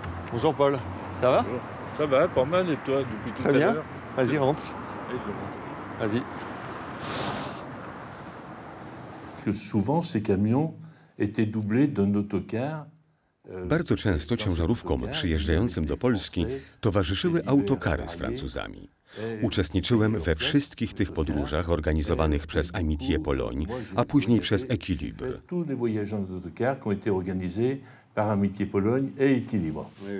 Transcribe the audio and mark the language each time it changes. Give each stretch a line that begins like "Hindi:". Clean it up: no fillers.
French: Bonjour Paul, ça va? Ça va, pas mal, et toi, depuis très bien. L'heure. Vas-y, rentre. Allez, je rentre. Vas-y. Que souvent ces camions étaient doublés d'un autocar.
Polish: Bardzo często ciężarówkom przyjeżdżającym do Polski towarzyszyły autokary z Francuzami. Uczestniczyłem we wszystkich tych podróżach organizowanych przez Amitié Pologne, a później przez Équilibre.
French: Tous les voyages en autocar qui ont été organisés par Amitié Pologne et Équilibre.